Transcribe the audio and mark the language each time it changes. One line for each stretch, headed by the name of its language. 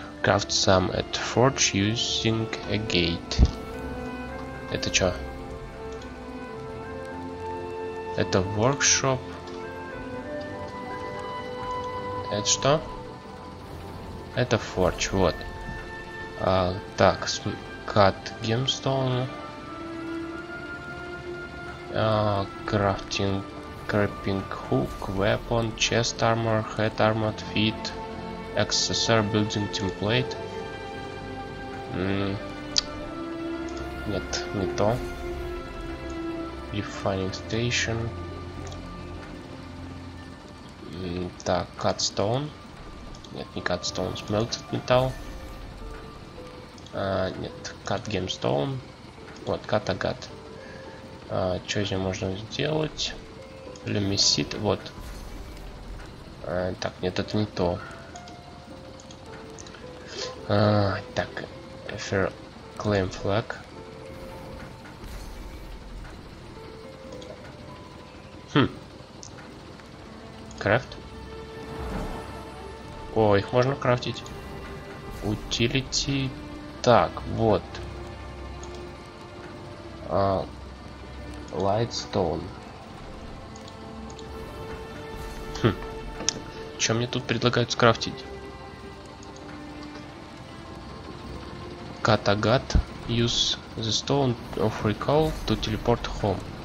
English: Craft some at forge using a gate.
Russian: Это чё? Это workshop. Это что? Это forge, вот.
English: Так, cut gemstone. Crafting creeping hook, weapon, chest armor, head armor, feet, accessory building template.
Russian: Нет, не то. и Finding Station.
English: Так, Cut Stone. Нет, не Cut Stone, Smelted Metal. Нет, Cut Gemstone. Вот, Cut Agate.
Russian: Что здесь можно сделать? Lumisit, вот. Так, нет, это не то.
English: Так, Ether Claim Flag.
Russian: Крафт. О, их можно крафтить. Утилити. Так, вот.
English: Lightstone.
Russian: Чем мне тут предлагают скрафтить?
English: Cut Agate. Use the stone of recall to teleport home.